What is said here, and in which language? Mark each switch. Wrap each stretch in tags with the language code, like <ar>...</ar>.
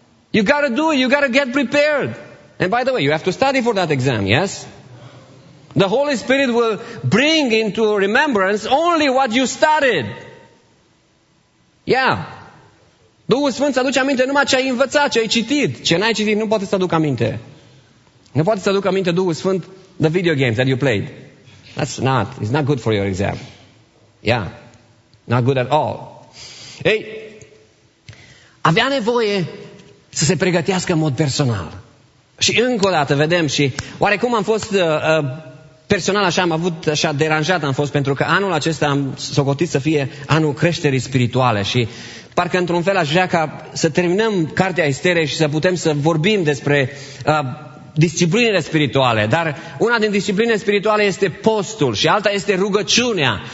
<en>You got to do it. You got to get prepared. And by the way, you have to study for that exam, yes? The Holy Spirit will bring into remembrance only what you studied. Yeah.</en> <ro>Duhul Sfânt îți aduce aminte numai ce ai învățat, ce ai citit. Ce n-ai citit nu poate să aducă aminte. Nu poate să aducă aminte Duhul Sfânt</ro> <en>the video games that you played. That's not, it's not good for your exam. Yeah. Not good at all.</en> <ro>Ei, avea nevoie să se pregătească în mod personal. Și încă o dată vedem și oarecum am fost personal așa, am avut așa deranjat am fost pentru că anul acesta am socotit să fie anul creșterii spirituale și parcă într-un fel aș vrea ca să terminăm Cartea Esterei și să putem să vorbim despre disciplinele spirituale, dar una din disciplinele spirituale este postul și alta este rugăciunea.</ro>